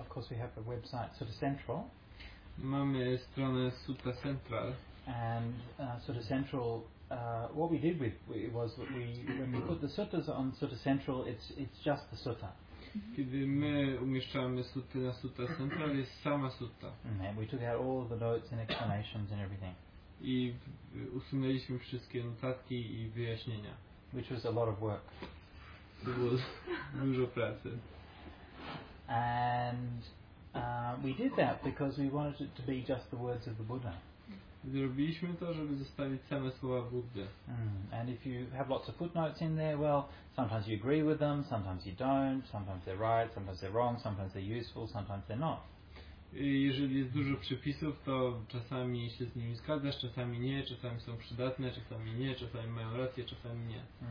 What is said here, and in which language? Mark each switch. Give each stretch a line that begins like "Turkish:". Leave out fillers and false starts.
English: Of course, we have a website, Sutta Central.
Polish: Mamy stronę Sutta Central.
English: And Sutta Central. What we did with it was that when we put the suttas on Sutta Central, it's just the sutta.
Polish: Kiedy my umieszczamy sutty na Sutta Central, jest sama sutta.
English: And we took out all the notes and explanations and everything.
Polish: I usunęliśmy wszystkie notatki i wyjaśnienia.
English: Which was a lot of work.
Polish: Dużo pracy.
English: And we did that because we wanted it to be just the words of the Buddha.
Polish: Zrobiliśmy to, żeby zostawić same słowa Buddy.
English: And if you have lots of footnotes in there, well, sometimes you agree with them, sometimes you don't, sometimes they're right, sometimes they're wrong, sometimes they're useful, sometimes they're not.
Polish: Jeżeli jest dużo przepisów, to czasami się z nimi zgadzasz, czasami nie, czasami są przydatne, czasami nie, czasami mają rację, czasami nie.